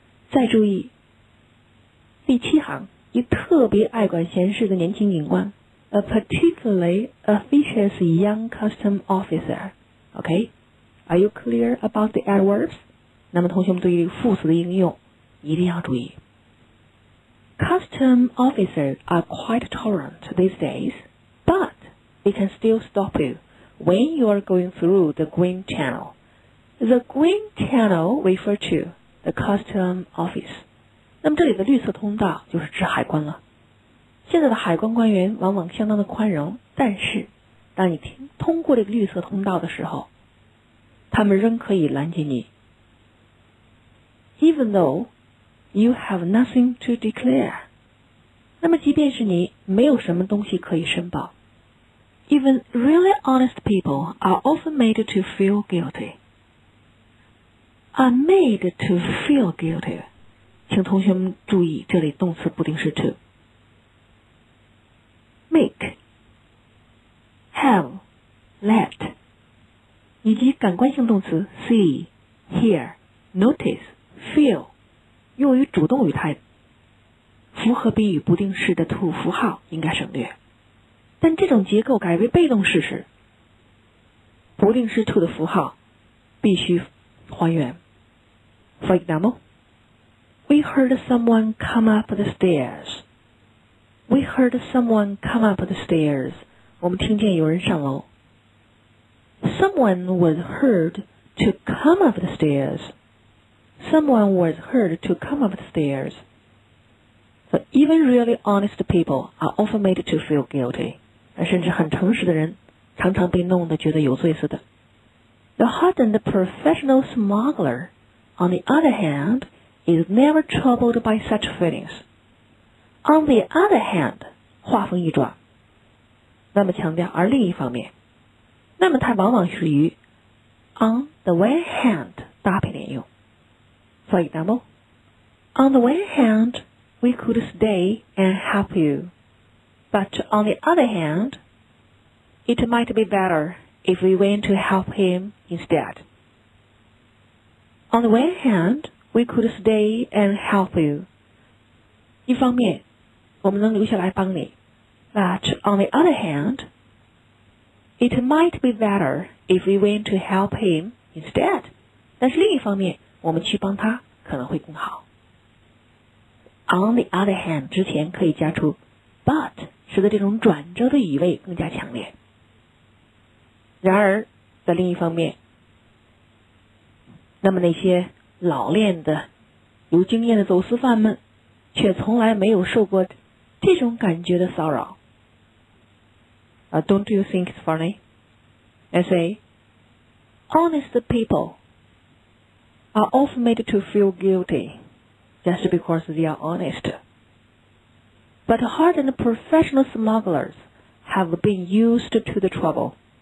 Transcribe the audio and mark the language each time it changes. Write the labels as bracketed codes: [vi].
[zh] 再注意第七行，一特别爱管闲事的年轻警官 ， [en] a particularly officious young custom officer. OK, are you clear about the adverbs? [zh] 那么同学们对于副词的应用一定要注意。 [en] Custom officers are quite tolerant these days, but they can still stop you when you are going through the green channel. The green channel refers to the custom office. [zh] 那么这里的绿色通道就是指海关了。现在的海关官员往往相当的宽容，但是当你通过这个绿色通道的时候，他们仍可以拦截你。 [en] Even though you have nothing to declare, [zh] 那么即便是你没有什么东西可以申报。 [en] Even really honest people are often made to feel guilty. Are made to feel guilty. [zh] 请同学们注意，这里动词不定式 to make, have, let, 以及感官性动词 see, hear, notice, feel, 用于主动语态，符合宾语不定式的 to 符号应该省略。但这种结构改为被动式时，不定式 to 的符号必须还原。 [en] For example,We heard someone come up the stairs. We heard someone come up the stairs. [zh] 我们听见有人上楼。 [en] Someone was heard to come up the stairs. Someone was heard to come up the stairs. So even really honest people are often made to feel guilty. [zh] 而甚至很诚实的人常常被弄得觉得有罪似的。 [en] The hardened professional smuggler, on the other hand,is never troubled by such feelings. On the other hand, [zh] 话锋一转, 那么强调而另一方面，那么它往往是与 [en] on the one hand [zh] 搭配连用。 [en] For example, on the one hand, we could stay and help you, but on the other hand, it might be better if we went to help him instead. On the one hand, we could stay and help you. [zh] 一方面，我们能留下来帮你。 [en] But on the other hand, it might be better if we went to help him instead. [zh] 但是另一方面，我们去帮他可能会更好。 [en] On the other hand [zh] 之前可以加出 but, 使得这种转折的语味更加强烈。然而，在另一方面，那么那些老练的、有经验的走私犯们，却从来没有受过这种感觉的骚扰。 [en] Don't you think it's funny? I say, honest people are often made to feel guilty just because they are honest. But hardened professional smugglers have been used to the trouble.